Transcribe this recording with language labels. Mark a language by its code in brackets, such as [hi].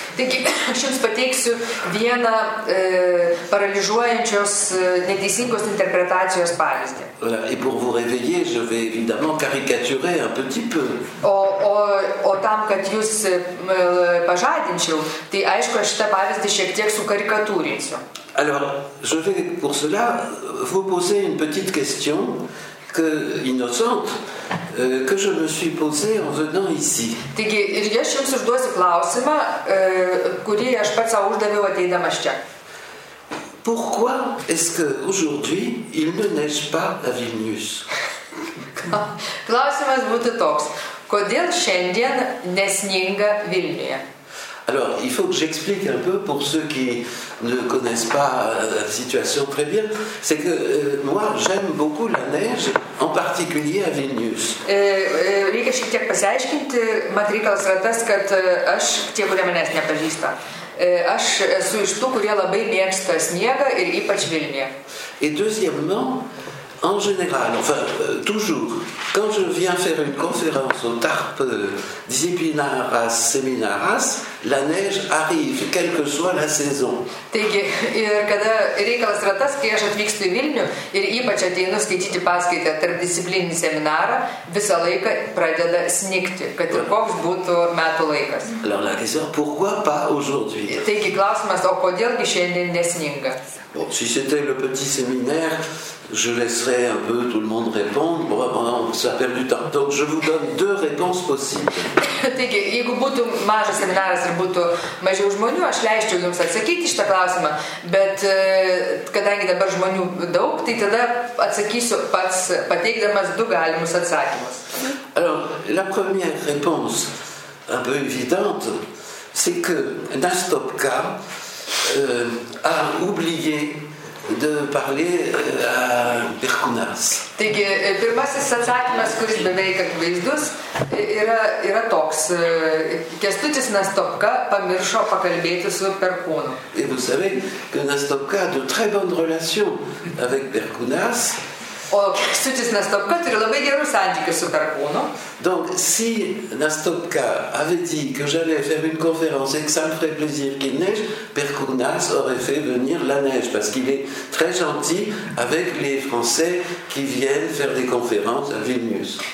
[lt] Taigi, aš jums pateiksiu vieną paralyžuojančios neteisingos interpretacijos pavyzdį. [fr] Voilà, et pour vous réveiller, je vais évidemment caricaturer un petit peu. [lt] O tam, kad jūs pažadinčiau, tai aišku, aš šitą pavyzdį šiek tiek sukarikatūrinsiu. [fr] Alors, je vais pour cela vous poser une petite question innocente que je me suis posée en venant ici. [lt] Taigi, ir aš jums užduosiu klausimą, kurį aš pats sau uždaviau ateidamas čia. [fr] Pourquoi est-ce que aujourd'hui il ne neige pas à Vilnius? [lt] Klausimas būtų toks. Kodėl šiandien nesninga Vilniuje? [fr] Alors, il faut que j'explique un peu pour ceux qui ne connaissent pas la situation très bien. C'est que moi, j'aime beaucoup la neige, en particulier à Vilnius. [lt] Reikia šiek tiek pasiaiškinti, mat reikalas yra tas, kad aš, tie, kurie manęs nepažįsta, aš esu iš tų, kurie labai mėgsta sniegą ir ypač Vilniuje. [fr] Et deuxièmement, en général, enfin, toujours, quand je viens faire une conférence au TARP disciplinaire à Seminaras, La neige arrive, quelle que soit la saison. [lt] Taigi, ir kada reikalas yra tas, kai aš atvykstu į Vilnių ir ypač ateinu skaityti paskaitę tarpdisciplininį seminarą, visą laiką pradeda snigti, kad ir koks būtų metų laikas. [fr] Alors la question, pourquoi pas aujourd'hui? [lt] Taigi, klausimas, o kodėlgi šiandien nesninga? [fr] Bon, si c'était le petit séminaire, je laisserai un peu tout le monde répondre. Bon, ça perd du temps. Donc, je vous donne deux réponses possibles. [lt] Taigi, jeigu būtų mažas seminaras ir būtų mažiau žmonių, aš leisčiau jums atsakyti šitą klausimą. Bet kadangi dabar žmonių daug, tai tada atsakysiu pats, pateikdamas du galimus atsakymus. [fr] Alors, la première réponse, un peu évidente, c'est que Nastopka a oublié de parler à Berkunas. [lt] Taigi, pirmasis atsakymas, kuris beveik akivaizdus, yra toks. Kęstutis Nastopka pamiršo pakalbėti su Berkūnu. [fr] Et vous savez que Nastopka a de très bonnes relations avec Berkunas. [lt] O Kęstutis Nastopka turi labai gerus santykius su Berkūnu. [fr] Donc, si Nastopka avait dit que j'allais faire une conférence et que ça me ferait plaisir qu'il neige, Berkunas aurait fait venir la neige, parce qu'il est très gentil avec les Français qui viennent faire des conférences à Vilnius.